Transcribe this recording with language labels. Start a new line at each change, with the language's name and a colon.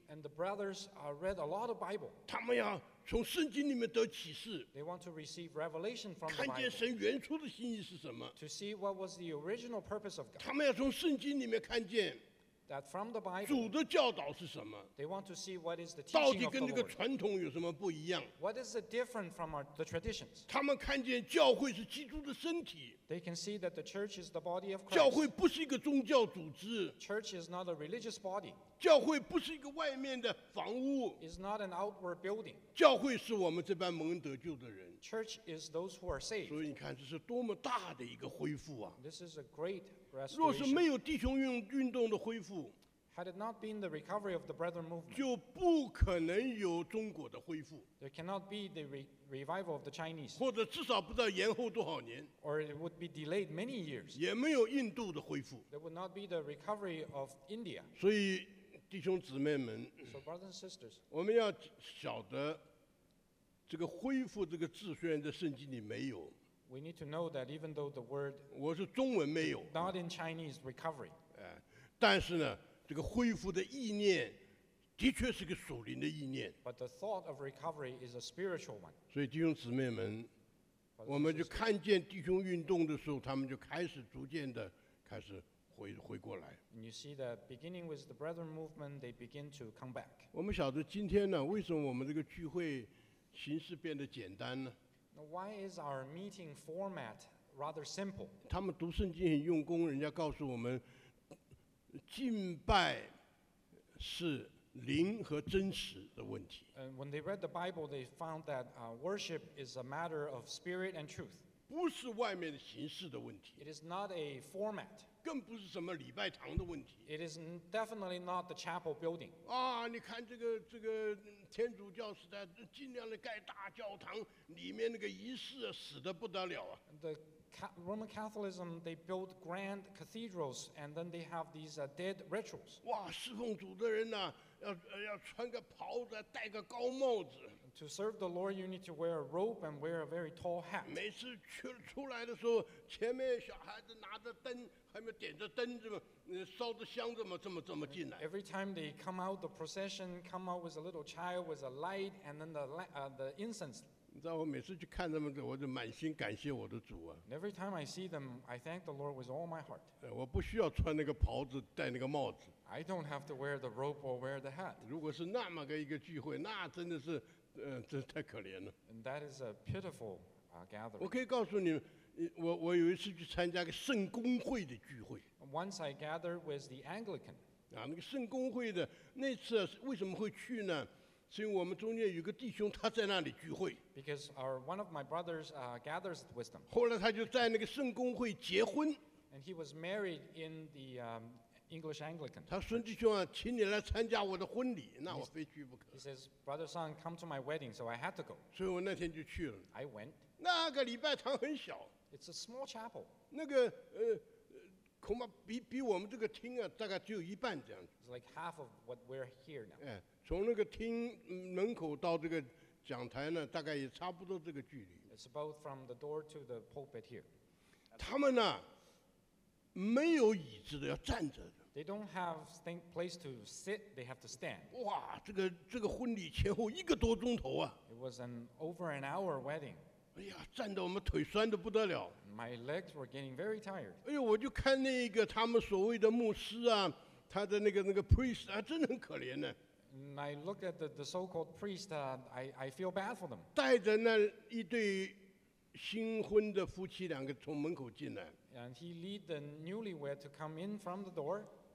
English: ，and the brothers are read a lot of Bible.
Chinese: 他们要从圣经里面得启示。
English: They want to receive revelation from the Bible.
Chinese: 看见神原初的心意是什么
English: ？To see what was the original purpose of God.
Chinese: 他们要从圣经里面看见。
English: that from the Bible,
Chinese: 主的教导是什么？
English: They want to see what is the teaching of the Lord.
Chinese: 到底跟这个传统有什么不一样？
English: What is the difference from our, the traditions?
Chinese: 他们看见教会是基督的身体。
English: They can see that the church is the body of Christ.
Chinese: 教会不是一个宗教组织。
English: Church is not a religious body.
Chinese: 教会不是一个外面的房屋。
English: It's not an outward building.
Chinese: 教会是我们这班蒙恩得救的人。
English: Church is those who are saved.
Chinese: 所以你看，这是多么大的一个恢复啊！
English: This is a great.
Chinese: 若是没有弟兄运动的恢复，
English: had it not been the recovery of the brethren movement,
Chinese: 就不可能有中国的恢复。
English: There cannot be the revival of the Chinese.
Chinese: 或者至少不知道延后多少年。
English: Or it would be delayed many years.
Chinese: 也没有印度的恢复。
English: There would not be the recovery of India.
Chinese: 所以弟兄姊妹们，
English: so brothers and sisters,
Chinese: 我们要晓得这个恢复这个字虽然在圣经里没有。
English: We need to know that even though the word
Chinese: 我是中文没有
English: not in Chinese recovery
Chinese: 但是呢这个恢复的意念的确是个属灵的意念
English: but the thought of recovery is a spiritual one
Chinese: 所以弟兄姊妹们我们就看见弟兄运动的时候他们就开始逐渐的开始 回过来
English: and you see that beginning with the brethren movement they begin to come back
Chinese: 我们晓得今天呢为什么我们这个聚会形式变得简单呢
English: Why is our meeting format rather simple?
Chinese: 他们读圣经很用功，人家告诉我们，敬拜是灵和真实的问题。
English: And when they read the Bible, they found that worship is a matter of spirit and truth.
Chinese: 不是外面的形式的问题。
English: It is not a format.
Chinese: 更不是什么礼拜堂的问题。
English: It is definitely not the chapel building.
Chinese: 啊，你看这个天主教时代，尽量的盖大教堂。里面那个仪式死得不得了啊
English: The Roman Catholicism, they build grand cathedrals, and then they have these dead rituals.
Chinese: 哇，侍奉主的人呢、啊，要穿个袍子，戴个高帽子。
English: To serve the Lord, you need to wear a robe and wear a very tall hat.
Chinese: 每次出来的时候，前面小孩子拿着灯，还没点着灯，怎么烧着香，这么进来
English: ？Every time they come out, the procession come out with a little child with a light, and then the incense.
Chinese: 你知道我每次去看他们，我就满心感谢我的主啊。
English: Every time I see them, I thank the Lord with all my heart.
Chinese: 我不需要穿那个袍子，戴那个帽子。
English: I don't have to wear the robe or wear the hat.
Chinese: 如果是那么个一个聚会，那真的是，真是太可怜了。
English: And that is a pitiful gathering.
Chinese: 我可以告诉你，我有一次去参加个圣公会的聚会。
English: Once I gathered with the Anglican.
Chinese: 那个圣公会的那次为什么会去呢？所以我们中间有个弟兄，他在那里聚会。
English: Because our one of my brothers gathers with them.
Chinese: 后来他就在那个圣公会结婚。
English: And he was married in the English Anglican.
Chinese: 他孙弟兄啊，请你来参加我的婚礼，那我非去不可。
English: He says, brother son, come to my wedding, so I had to go.
Chinese: 所以我那天就去了。
English: I went.
Chinese: 那个礼拜堂很小。
English: It's a small chapel.
Chinese: 那个恐怕比我们这个厅啊，大概只有一半这样。
English: It's like half of what we're here now.
Chinese: 从那个厅门口到这个讲台呢，大概也差不多这个距离。
English: It's about from the door to the pulpit here.
Chinese: 他们呢，没有椅子的，要站着的。
English: They don't have place to sit. They have to stand.
Chinese: 哇，这个婚礼前后一个多钟头啊。
English: It was an over an hour wedding.
Chinese: 哎呀，站得我们腿酸得不得了。
English: My legs were getting very tired.
Chinese: 哎呦，我就看那个他们所谓的牧师啊，他的那个 priest 啊，真的很可怜呢。
English: And I looked at the so-called priest, I feel bad for them.
Chinese: 带着那一对新婚的夫妻两个从门口进来。
English: And he lead the newlywed to come in from the door.